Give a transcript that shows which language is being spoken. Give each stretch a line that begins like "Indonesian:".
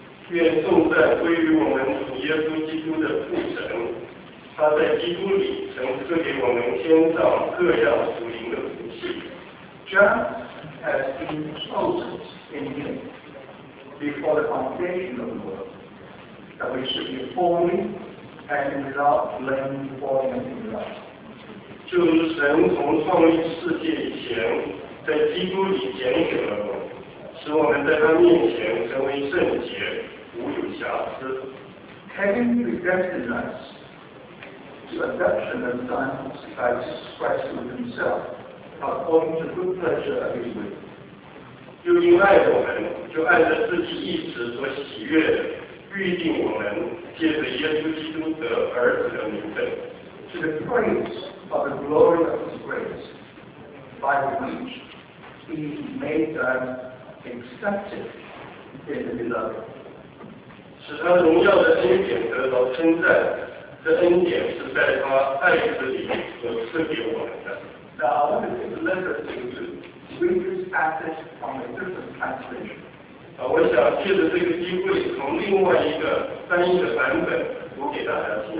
Chinese: 愿颂赞归于我们主耶稣基督的父神，他在基督里曾赐给我们天上各样属灵的福气。
English: Just as been chosen in him before the foundation of the world, that we should be holy and without blame before him in love.
Chinese: 就如神从创立世界以前，在基督里拣选了我们，使我们在他面前成为圣洁。
English: Having redeemed us to adoption as sons by Christ himself, according to good pleasure of his will.
Chinese: 又因爱我们，就按着自己意志所喜悦的，预定我们借着耶稣基督的儿子的名分。
English: To the praise of the glory of his grace, by which he made us accepted in the beloved.
Chinese: 使他荣耀的恩典得到称赞，这恩典是在他爱子里所赐给我们的。
English: Now, I want to take a letter to read this passage from a different translation.
Chinese: 我想借着这个机会，从另外一个翻译的版本读给大家听。